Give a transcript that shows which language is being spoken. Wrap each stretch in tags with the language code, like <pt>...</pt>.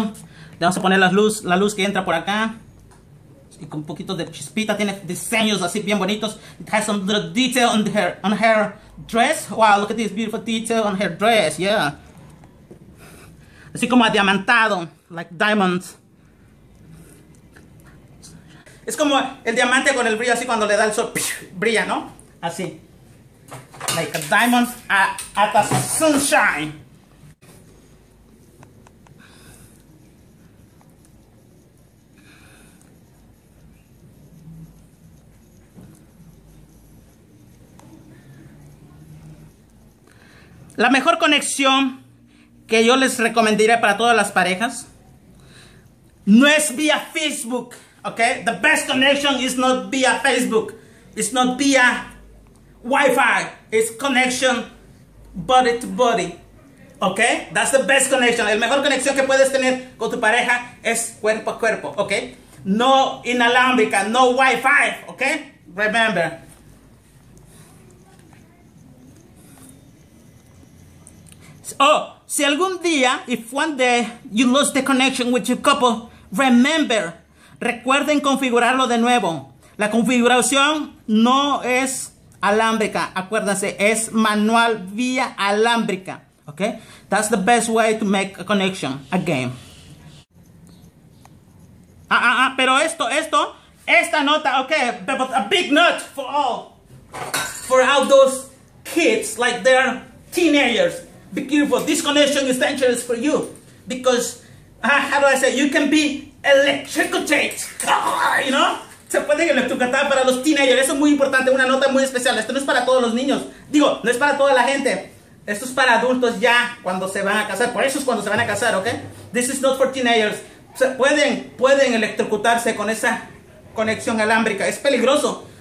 <es>Le vamos a poner la luz que entra por acá. Y con un poquito de chispita, tiene diseños así bien bonitos.</es> <en>It has some little detail on her dress. Wow, look at this beautiful detail on her dress, yeah.</en> <es>Así como adiamantado,</es> <en>like diamonds.</en> <es>Es como el diamante con el brillo, así cuando le da el sol, ¡pish! Brilla, ¿no? Así.</es> <en>Like a diamond at the sunshine.</en> <es>La mejor conexión que yo les recomendaría para todas las parejas no es vía Facebook, ¿ok?</es> <en>The best connection is not via Facebook, it's not via Wi-Fi, it's connection body to body, ¿ok? That's the best connection.</en> <es>La mejor conexión que puedes tener con tu pareja es cuerpo a cuerpo, ¿ok? No inalámbrica, no Wi-Fi, ¿ok? Remember.</es> <en>Oh,</en> <es>si algún día,</es> <en>if one day you lose the connection with your couple, remember,</en> <es>recuerden configurarlo de nuevo. La configuración no es alámbrica, acuérdense, es manual vía alámbrica, ¿ok?</es> <en>That's the best way to make a connection again.</en> <es>Pero esta nota, ¿ok?</es> <en>But a big nut for all those kids, like they're teenagers. Be careful, this connection is dangerous for you. Because, how do I say, you can be electrocuted. You know?</en> <es>Se puede electrocutar para los teenagers. Eso es muy importante, una nota muy especial. Esto no es para todos los niños. Digo, no es para toda la gente. Esto es para adultos ya, cuando se van a casar. Por eso es cuando se van a casar, ¿ok?</es> <en>This is not for teenagers.</en> <es>Se pueden electrocutarse con esa conexión alámbrica. Es peligroso.</es>